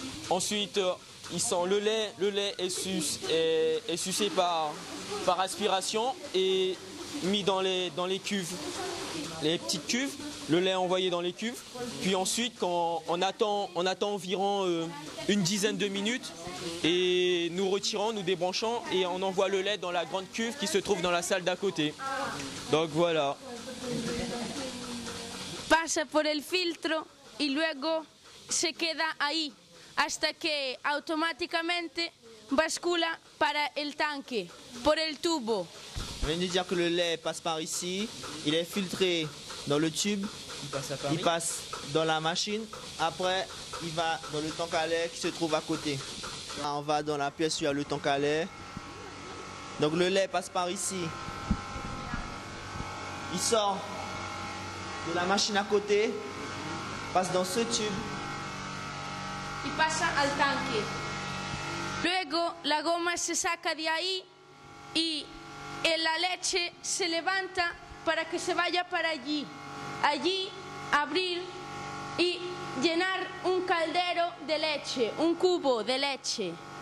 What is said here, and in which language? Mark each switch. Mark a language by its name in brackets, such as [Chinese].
[French] Ensuite, ils sentent le lait est sucé par aspiration et mis dans les cuves. Les petites cuves, le lait envoyé dans les cuves. Puis ensuite, quand on attend environ une dizaine de minutes, et nous retirons, nous débranchons, et on envoie le lait dans la grande cuve qui se trouve dans la salle d'à côté. Donc voilà. [Spanish] Passa por el filtro y luego se queda ahí hasta que automáticamente bascula para el tanque, por el tubo. [French] On vient de dire que le lait passe par ici, il est filtré dans le tube, il passe dans la machine, après il va dans le tank à lait qui se trouve à côté. Là, on va dans la pièce où il y a le tank à lait. Donc le lait passe par ici, il sort de la machine à côté, passe dans ce tube. Il passe au tank. [Spanish] Luego la goma se saca de ahí y et la leche se levanta para que se vaya para allí. Allí abrir y llenar un caldero de leche, un cubo de leche.